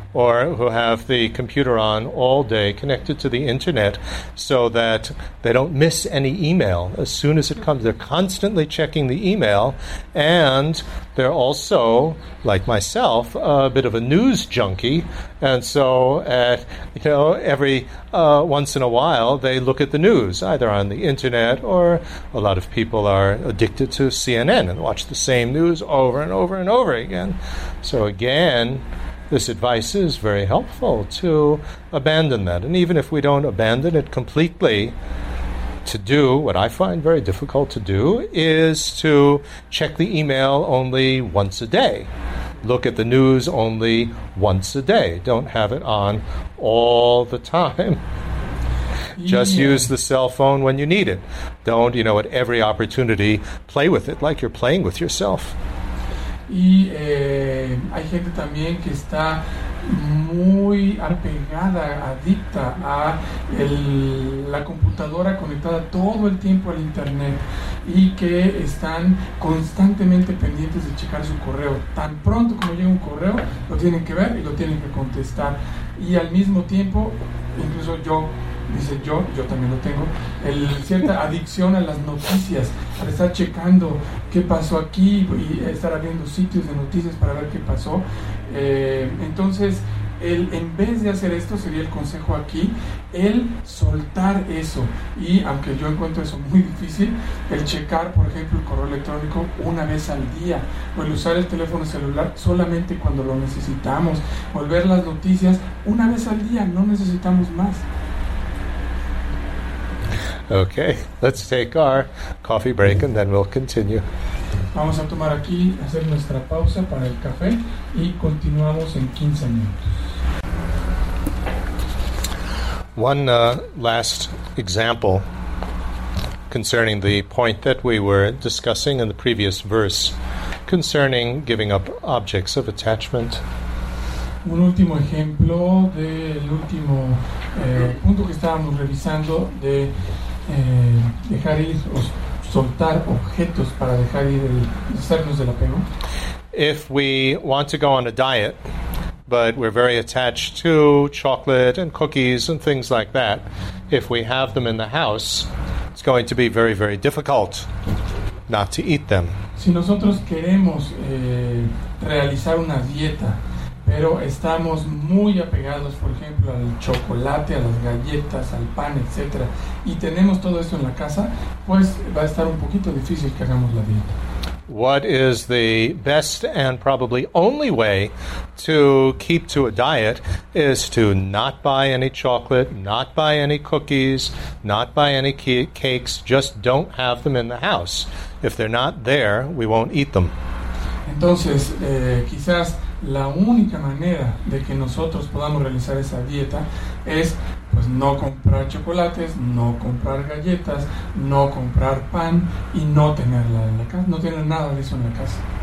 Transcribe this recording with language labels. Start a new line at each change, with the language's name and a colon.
English: Or who have the computer on all day connected to the internet so that they don't miss any email. As soon as it comes, they're constantly checking the email, and they're also, like myself, a bit of a news junkie. And so, at every once in a while, they look at the news, either on the internet, or a lot of people are addicted to CNN and watch the same news over and over and over again. So again, this advice is very helpful to abandon that. And even if we don't abandon it completely, to do what I find very difficult to do is to check the email only once a day. Look at the news only once a day. Don't have it on all the time. Just use the cell phone when you need it. Don't, you know, at every opportunity play with it like you're playing with yourself.
Spanish: Y hay gente también que está muy apegada, adicta a la computadora conectada todo el tiempo al internet, y que están constantemente pendientes de checar su correo. Tan pronto como llega un correo, lo tienen que ver y lo tienen que contestar. Y al mismo tiempo, incluso yo, dice yo también lo tengo, cierta adicción a las noticias, al estar checando qué pasó aquí y estar abriendo sitios de noticias para ver qué pasó. Entonces, en vez de hacer esto, sería el consejo aquí, el soltar eso. Y aunque yo encuentro eso muy difícil, el checar, por ejemplo, el correo electrónico una vez al día, o el usar el teléfono celular solamente cuando lo necesitamos, o el ver las noticias una vez al día, no necesitamos más.
English: Okay, let's take our coffee break and then we'll continue.
Spanish: Vamos a tomar aquí, hacer nuestra pausa para el café y continuamos en 15 minutos.
English: One last example concerning the point that we were discussing in the previous verse concerning giving up objects of attachment.
Spanish: Un último ejemplo del último punto que estábamos revisando de dejar ir o soltar objetos para dejar ir el deshacernos del apego.
English: If we want to go on a diet, but we're very attached to chocolate and cookies and things like that, if we have them in the house, it's going to be very, very difficult not to eat them.
Spanish: Si nosotros queremos realizar una dieta, pero estamos muy apegados, por ejemplo, al chocolate, a las galletas, al pan, etc., y tenemos todo esto en la casa, pues va a estar un poquito difícil que hagamos la dieta.
English: What is the best and probably only way to keep to a diet is to not buy any chocolate, not buy any cookies, not buy any cakes, just don't have them in the house. If they're not there, we won't eat them.
Spanish: Entonces, quizás la única manera de que nosotros podamos realizar esa dieta es pues no comprar chocolates, no comprar galletas, no comprar pan y no tenerla en la casa, no tener nada de eso en la casa.